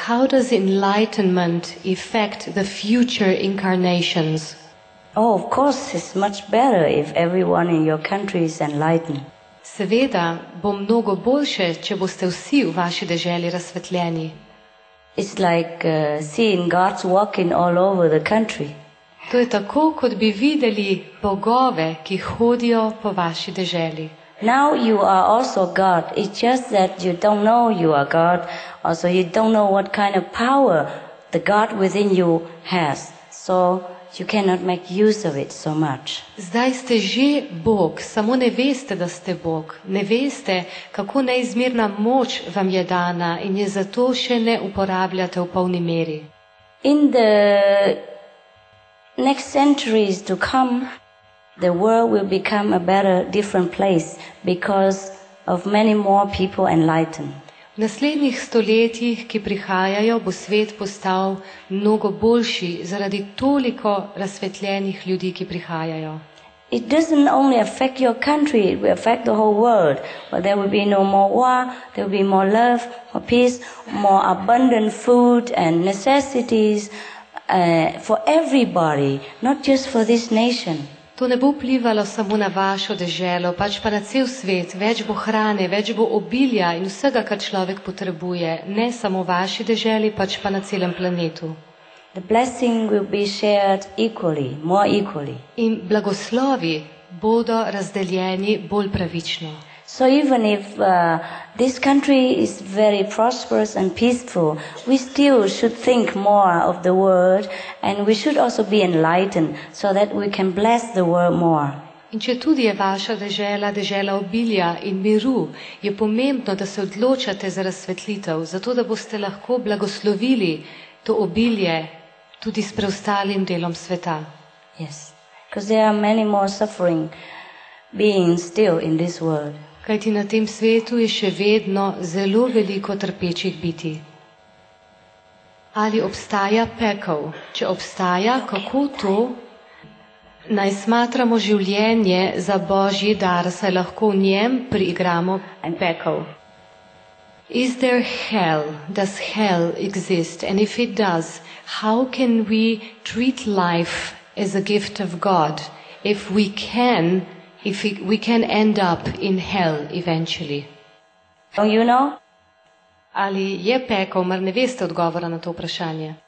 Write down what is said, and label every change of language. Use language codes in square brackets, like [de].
[en] How does enlightenment affect the future incarnations? Oh, of course, it's much better if everyone in your country is enlightened. [sl] Seveda bo mnogo boljše, če boste vsi v vaši deželi razsvetljeni. [en] It's like seeing God's walking all over the country. [sl] To je tako, kot bi videli bogove, ki hodijo po vaši deželi. [en] Now you are also God. It's just that you don't know you are God. Also, you don't know what kind of power the God within you has. So you cannot make use of it so much. [sl] Zdaj ste že Bog, samo ne veste, da ste Bog. Ne veste, kako neizmerna moč vam je dana in je zato še ne uporabljate v polni meri. [en] In the next centuries to come, the world will become a better, different place because of many more people enlightened. [sl] V naslednjih stoletjih, ki prihajajo, bo svet postal mnogo boljši zaradi toliko razsvetljenih ljudi, ki prihajajo. [en] It doesn't only affect your country, it will affect the whole world. But there will be no more war, there will be more love, more peace, more abundant food and necessities for everybody, not just for this nation. [sl] To ne bo vplivalo samo na vašo deželo, pač pa na cel svet. Več bo hrane, več bo obilja in vsega, kar človek potrebuje. Ne samo v vaši deželi, pač pa na celem planetu. [en] The blessing will be shared equally, more equally. [sl] In blagoslovi bodo razdeljeni bolj pravično. [en] So even if this country is very prosperous and peaceful, we still should think more of the world and we should also be enlightened so that we can bless the world more. [sl] In če tudi je vaša dežela, dežela obilja in miru, je pomembno, da se odločate za razsvetlitev, zato da boste lahko blagoslovili to obilje tudi s preostalim delom sveta. [en] Yes, because there are many more suffering beings still in this world. [sl] Kajti na tem svetu je še vedno zelo veliko trpečih biti. Ali obstaja pekel? Če obstaja, kako to? Naj smatramo življenje za Božji dar, saj lahko v njem priigramo pekel. [en] Is there hell? Does hell exist? And if it does, how can we treat life as a gift of God? If we can if we can end up in hell eventually. Don't you know? [sl] Ali je peklo, mar ne veste odgovora na to vprašanje?